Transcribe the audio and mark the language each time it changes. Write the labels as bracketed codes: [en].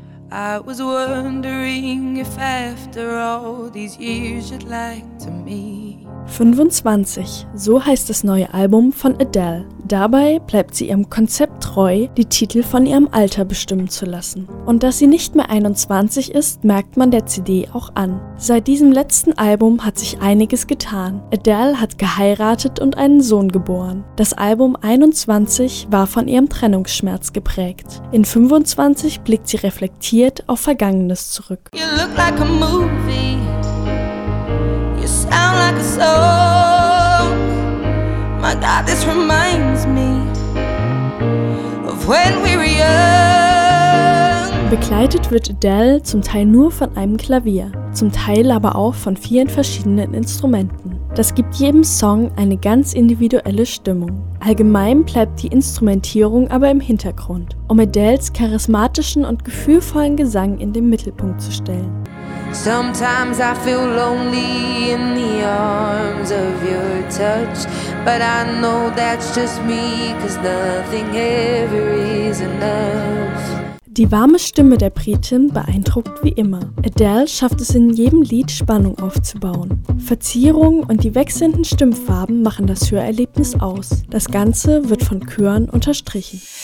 [en] I was wondering if after all these years you'd like to meet. [de] 25, so heißt das neue Album von Adele. Dabei bleibt sie ihrem Konzept treu, die Titel von ihrem Alter bestimmen zu lassen. Und dass sie nicht mehr 21 ist, merkt man der CD auch an. Seit diesem letzten Album hat sich einiges getan. Adele hat geheiratet und einen Sohn geboren. Das Album 21 war von ihrem Trennungsschmerz geprägt. In 25 blickt sie reflektiert auf Vergangenes zurück. [en] You look like a movie. You sound like a song. My God, this reminds me of when we were young. [de] Begleitet wird Adele zum Teil nur von einem Klavier, zum Teil aber auch von vielen verschiedenen Instrumenten. Das gibt jedem Song eine ganz individuelle Stimmung. Allgemein bleibt die Instrumentierung aber im Hintergrund, um Adeles charismatischen und gefühlvollen Gesang in den Mittelpunkt zu stellen. [en] Sometimes I feel lonely in the arms of your touch, but I know that's just me, 'cause nothing ever is enough. [de] Die warme Stimme der Britin beeindruckt wie immer. Adele schafft es in jedem Lied, Spannung aufzubauen. Verzierungen und die wechselnden Stimmfarben machen das Hörerlebnis aus. Das Ganze wird von Chören unterstrichen.